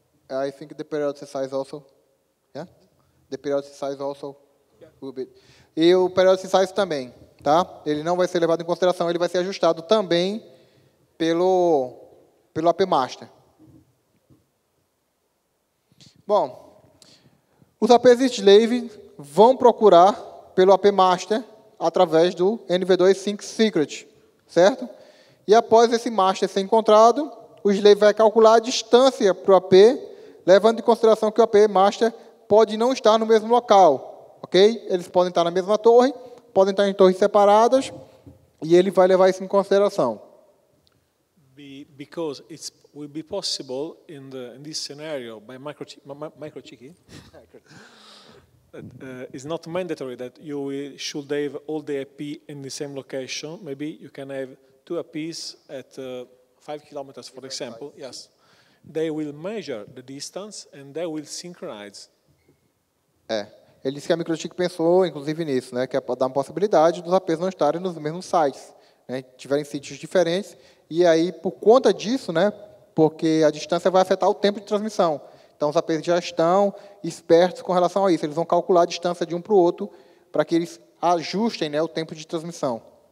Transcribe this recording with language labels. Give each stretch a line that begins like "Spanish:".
English: I think the periodic size also... The periodic size also will be...
Portuguese: E o periodic size também. Tá? Ele não vai ser levado em consideração. Ele vai ser ajustado também pelo AP master. Bom, os APs slave vão procurar pelo AP master através do NV2 Sync Secret. Certo? E após esse master ser encontrado, o slave vai calcular a distância para o AP, levando em consideração que o AP master pode não estar no mesmo local. Ok? Eles podem estar na mesma torre, podem estar em torres separadas, e ele vai levar isso em consideração.
English: Because it will be possible in this scenario by MikroTik, it's not mandatory that you should have all the IP in the same location. Maybe you can have two IPs at 5 kilometers, for example. Yes, they will measure the distance and they will synchronize.
Portuguese: É. Ele disse que a MikroTik pensou, inclusive, nisso, né, que é para dar uma possibilidade dos APs não estarem nos mesmos sites, né, tiverem sítios diferentes, e aí, por conta disso, né, porque a distância vai afetar o tempo de transmissão. Então, os APs já estão espertos com relação a isso. Eles vão calcular a distância de um para o outro para que eles ajustem, né, o tempo de transmissão.